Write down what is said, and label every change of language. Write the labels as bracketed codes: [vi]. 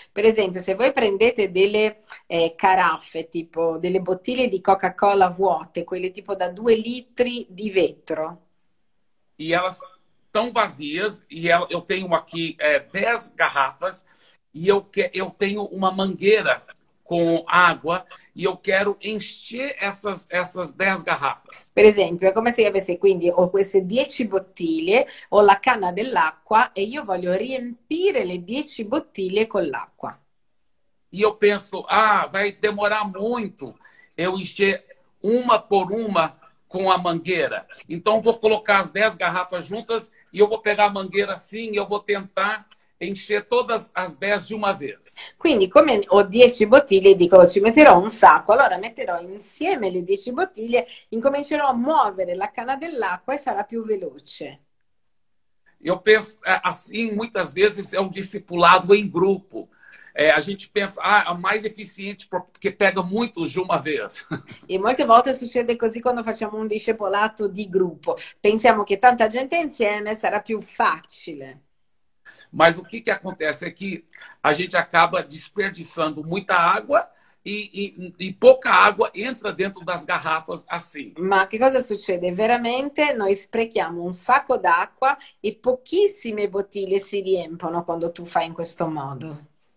[it] Per esempio, se voi prendete delle caraffe, tipo delle bottiglie di Coca-Cola vuote, quelle tipo da 2 litri di vetro. [pt] E elas estão vazias e eu tenho aqui 10 garrafas e eu tenho uma mangueira com água e eu quero encher essas 10 garrafas. [it] Per esempio, è come se io avessi, quindi, ho queste 10 bottiglie, ho la canna dell'acqua e io voglio riempire le 10 bottiglie con l'acqua. E io penso, [pt] vai demorar muito eu encher uma por uma com a mangueira. Então, vou colocar as 10 garrafas juntas e eu vou pegar a mangueira assim e eu vou tentar encher todas as 10 de uma vez. [it] Quindi, come ho 10 bottiglie, dico ci metterò un sacco, allora metterò insieme le 10 bottiglie, incomincerò a muovere la canna dell'acqua e sarà più veloce. [pt] Eu penso assim, muitas vezes é um discipulado em grupo. A gente pensa, é mais eficiente porque pega muito de uma vez. [it] E molte volte succede così quando facciamo un discepolato di gruppo. Pensiamo che tanta gente insieme sarà più facile. [pt] Mas o que acontece é que a gente acaba desperdiçando muita água e pouca água entra dentro das garrafas assim. [it] Ma che cosa succede? Veramente noi sprechiamo un sacco d'acqua e pochissime bottiglie si riempiono quando tu fai in questo modo.